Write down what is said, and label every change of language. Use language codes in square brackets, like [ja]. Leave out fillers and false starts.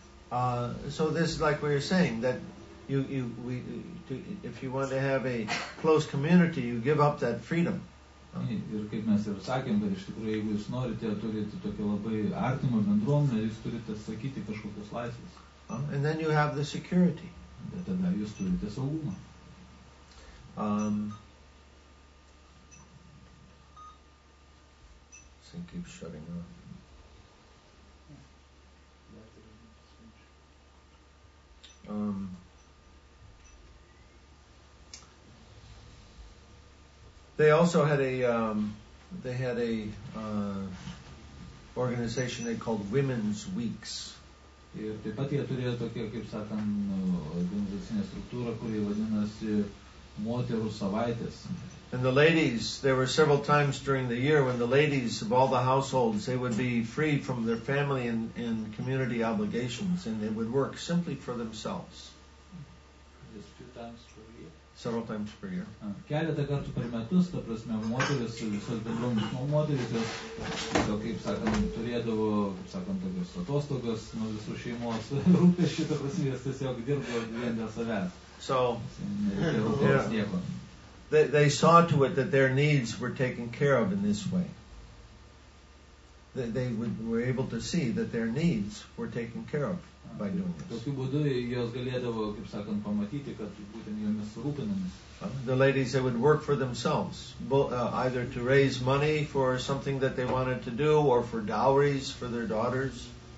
[en] So this is like what you're saying, that we if you want to have a close community, you give up that freedom. [lt] Ir kaip mes ir sakėm, bet iš tikrųjų, jeigu jūs norite turėti tokią labai artimą bendruomenę, jūs turite sakyti kažkokios laisvės. [en] And then you have the security. [lt] Bet tada jūs turite saugumą. [en] Think keep shutting up. They also had a organization they called Women's Weeks. [lt] Ir taip pat jie turėjo tokią, kaip sakant, organizacinę struktūrą, kuri vadinasi Moterų savaitės. [en] And the ladies, there were several times during the year when the ladies of all the households, they would be free from their family and community obligations, and they would work simply for themselves. Just two times per year? Several times per year. [lt] Keletą kartų per metus, ta prasme, moteris, visos bendruomenės moteris, jos, kaip sakant, turėdavo, kaip sakant, tokios atostogos nuo visų šeimos rūpesčių, ta prasme, jos tiesiog dirbo vien dėl savęs. [en] So, yeah. They saw to it that their needs were taken care of in this way. they would, were able to see that their needs were taken care of by doing this. [lt] Tokiu būdu jos galėdavo, kaip sakant, pamatyti, kad būtent jomis rūpinamės. [en] The ladies, they would work for themselves, either to raise money for something that they wanted to do or for dowries for their daughters.